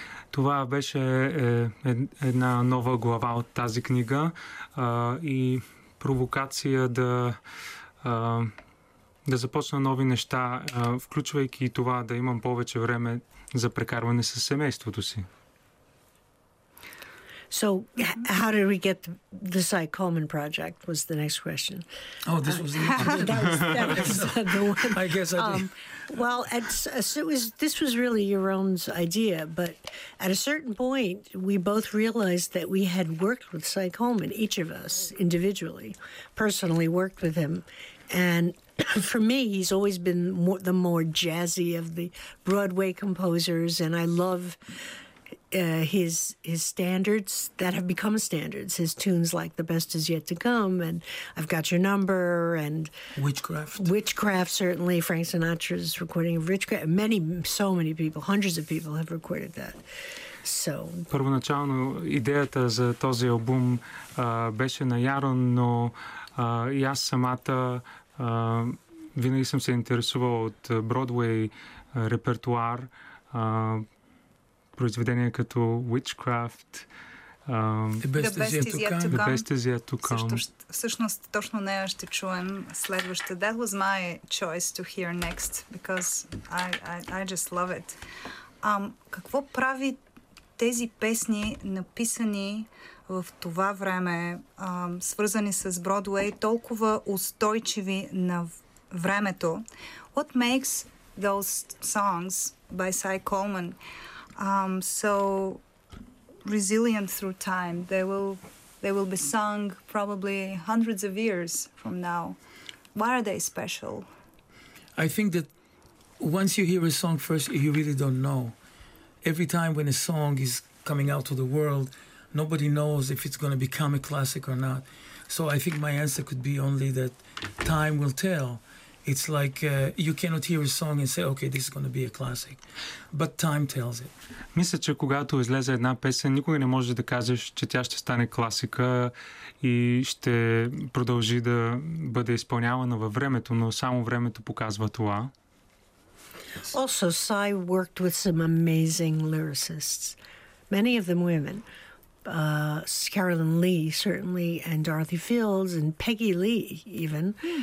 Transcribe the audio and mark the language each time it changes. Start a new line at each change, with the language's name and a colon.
Bulgarian: Това беше една нова глава от тази книга и провокация да започна нови неща, включвайки и това да имам повече време за прекарване с семейството си.
English: So how did we get the Cy Coleman project was the next question. Oh, this was the one. I guess I did. Well, this was really Yaron's idea, but at a certain point, we both realized that we had worked with Cy Coleman, each of us individually, personally worked with him. And for me, he's always been the more jazzy of the Broadway composers, and I love his standards that have become standards, his tunes like The Best Is Yet to Come and I've Got Your Number and Witchcraft, certainly Frank Sinatra's recording of Witchcraft, so many people, hundreds of people have recorded that. So
Bulgarian: първоначално идеята за този албум беше на Ярон, но и аз самата винаги съм се интересувал от Broadway репертуар, произведения като Witchcraft,
English: The Best Is Yet to Come.
Bulgarian: Всъщност, точно нея ще чуем следващата.
English: That was my choice to hear next, because I just love it.
Bulgarian: Какво прави тези песни, написани в това време, свързани с Broadway, толкова устойчиви на времето?
English: What makes those songs by Cy Coleman so resilient through time? They will be sung probably hundreds of years from now. Why are they special? I think that once you hear a song first, you really don't know. Every time when a song is coming out to the world, nobody knows if it's going to become a classic or not. So I think my answer could be only that time will tell. It's like you cannot hear a song and say, okay, this is going to be a classic. But time tells it.
Bulgarian: Мисля, че когато излезе една песен, никога не можеш да кажеш, че тя ще стане класика и ще продължи да бъде изпълнявана във времето, но само времето показва това.
English: Also, Cy worked with some amazing lyricists. Many of them women. Carolyn Lee, certainly, and Dorothy Fields, and Peggy Lee, even.